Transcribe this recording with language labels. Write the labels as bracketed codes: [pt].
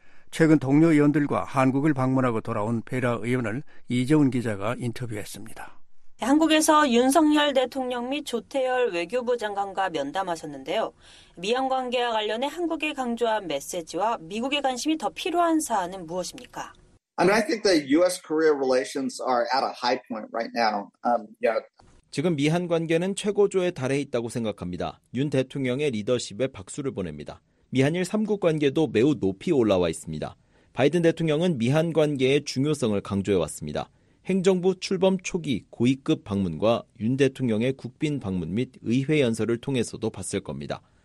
[ko] 최근 동료 의원들과 한국을 방문하고 돌아온 베라 의원을 이재훈 기자가 인터뷰했습니다. 한국에서 윤석열 대통령 및 조태열 외교부 장관과 면담하셨는데요. 미한 관계와 관련해 한국에 강조한 메시지와 미국의 관심이 더 필요한 사안은 무엇입니까? [en] And I think that US-Korea relations are at a high point right now. Yeah. [ko] 지금 미한 관계는 최고조에 달해 있다고 생각합니다. 윤 대통령의 리더십에 박수를 보냅니다. 미한일 3국 관계도 매우 높이 올라와 있습니다. 바이든 대통령은 미한 관계의 중요성을 강조해왔습니다. 행정부 출범 초기 고위급 방문과 윤 대통령의 국빈 방문 및 의회 연설을 통해서도 봤을 겁니다.